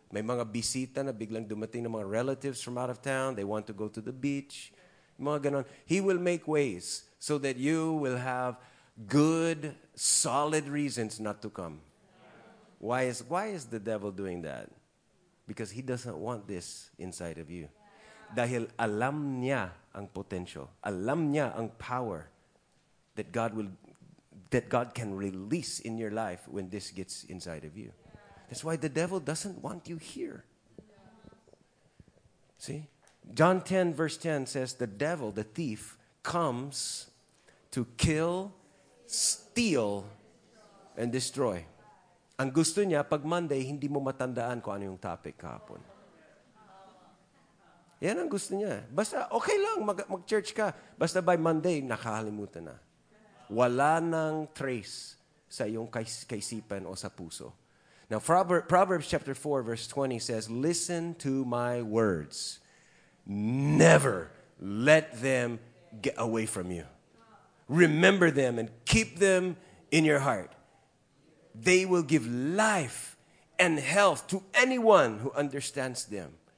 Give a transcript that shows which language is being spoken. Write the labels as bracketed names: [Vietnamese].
[Filipino] May mga bisita na biglang dumating na mga relatives [English] from out of town. They want to go to the beach. [Filipino] Mga ganon. [English] He will make ways so that you will have good, solid reasons not to come. Why is the devil doing that? Because he doesn't want this inside of you. [Filipino] Dahil alam niya ang potential. Alam niya ang [English] power that God can release in your life when this gets inside of you. That's why the devil doesn't want you here. See? John 10, verse 10 says, the devil, the thief, comes to kill, steal, and destroy. [Filipino] Ang gusto niya, pag Monday, hindi mo matandaan kung ano yung topic kahapon. Yan ang gusto niya. Basta, okay lang, mag-church ka. Basta by Monday, nakalimutan na. Wala nang trace sa iyong kaisipan o sa puso. [English] Now, Proverbs chapter 4, verse 20 says, listen to my words. Never let them get away from you. Remember them and keep them in your heart. They will give life and health to anyone who understands them.